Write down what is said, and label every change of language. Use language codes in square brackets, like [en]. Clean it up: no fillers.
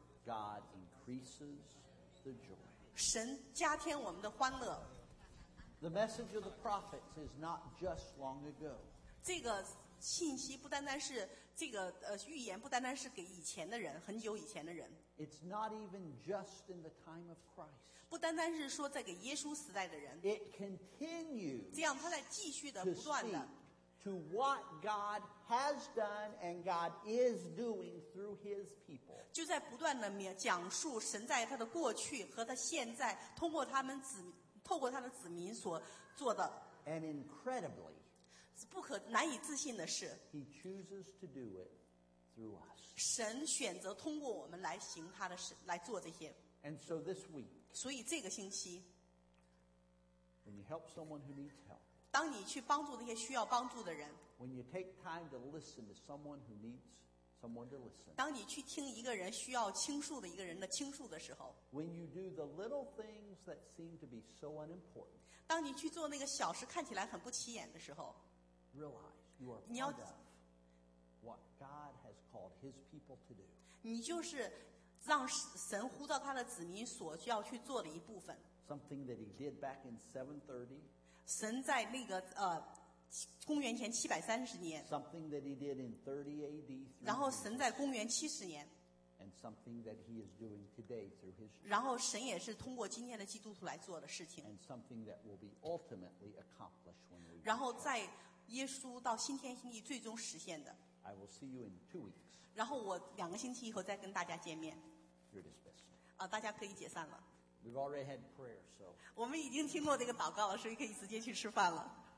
[en] God increases the joy. [zh] 神加添我们的欢乐。 [en] The message of the prophets is not just long ago. [zh] 这个信息不单单是这个预言不单单是给以前的人很久以前的人 [en] It's not even just in the time of Christ. [zh] 不单单是说在给耶稣时代的人 [en] It continues [zh] 这样他在继续的不断的 [en] To what God has done and God is doing through His people. [zh] 就在不断的讲述神在他的过去和他现在通过他们子透过他的子民所做的 [en] And incredibly, [zh] 不可难以置信的是 [en] He chooses to do it through us. [zh] 神选择通过我们来行他的事来做这些 [en] And so this week, [zh] 所以这个星期 [en] when you help someone who needs help, [zh] 当你去帮助那些需要帮助的人 [en] When you take time to listen to someone who needs someone to listen [zh] 当你去听一个人需要倾诉的一个人的倾诉的时候 [en] When you do the little things that seem to be so unimportant [zh] 当你去做那个小事看起来很不起眼的时候 [en] Realize you are part of what God has called his people to do [zh] 你就是让神呼召他的子民所需要去做的一部分 [en] Something that he did back in 730 [zh] 神在那个公元前730年 [en] something that he did in 30 AD [zh] 然后神在公元70年 [en] and something that he is doing today through his [zh] 然后神也是通过今天的基督徒来做的事情 [en] and something that will be ultimately accomplished when we [zh] 然后在耶稣到新天新地最终实现的 [en] I will see you in 2 weeks [zh] 然后我两个星期以后再跟大家见面 [en] You're dismissed [zh] 大家可以解散了 [en] We've already had prayer, so. [zh] 我们已经听过这个祷告了，所以可以直接去吃饭了。